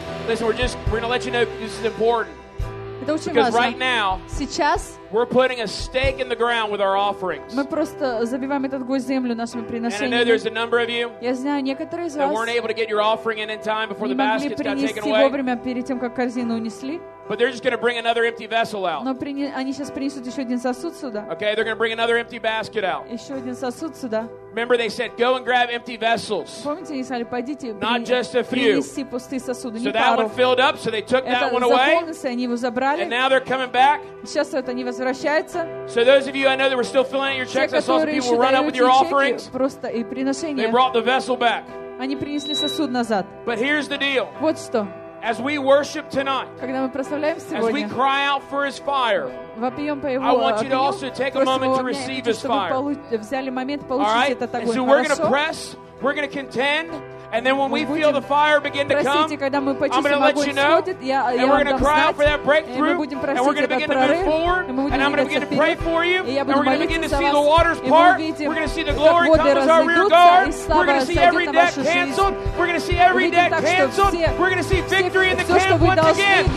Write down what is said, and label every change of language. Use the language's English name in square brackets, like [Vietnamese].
[English] Listen, we're going to let you know this is important. [Russian] Это очень [English] because [Russian] важно. [English] Right now, [Russian] сейчас [English] we're putting a stake in the ground with our offerings. [Russian] Мы просто забиваем этот гвоздь в землю нашими приношениями. [English] And I know there's a number of you [Russian] я знаю некоторые из вас [English] that weren't able to get your offering in time before the baskets got taken away. [Russian] Не могли принести вовремя перед тем, как корзину унесли. [English] But they're just going to bring another empty vessel out. [Russian] Но они сейчас принесут еще один сосуд сюда. [English] Okay, they're going to bring another empty basket out. [Russian] Еще один сосуд сюда. [English] Remember, they said, "Go and grab empty vessels." [Russian] Помните, они сказали, пойдите, [English] not just a few. [Russian] Принеси пустые сосуды, не пару. [English] So that one filled up. So they took [Russian] это [English] that one away. [Russian] Это заполнился, они его забрали. [English] And now they're coming back. [Russian] Сейчас вот они возвращаются. [English] So those of you I know that were still filling out your checks, [Russian] те, [English] I saw some people run up with your offerings. [Russian] Просто и приношения. [English] They brought the vessel back. [Russian] Они принесли сосуд назад. [English] But here's the deal. [Russian] Вот что. [English] As we worship tonight, [Russian] когда мы прославляем сегодня, [English] as we cry out for His fire, [Russian] вопием по Его огню, [English] I want you to also take a moment to receive His fire. [Russian] Взяли момент получить этот огонь. [English] So we're going to press, we're going to contend, and then when we feel the fire begin to come, I'm going to let you know, and we're going to cry out for that breakthrough, and we're going to begin to move forward, and I'm going to begin to pray for you, and we're going to begin to see the waters part, we're going to see the glory come as our rear guard, we're going to see every deck canceled, we're going to see every deck canceled, we're going to see victory in the camp once again.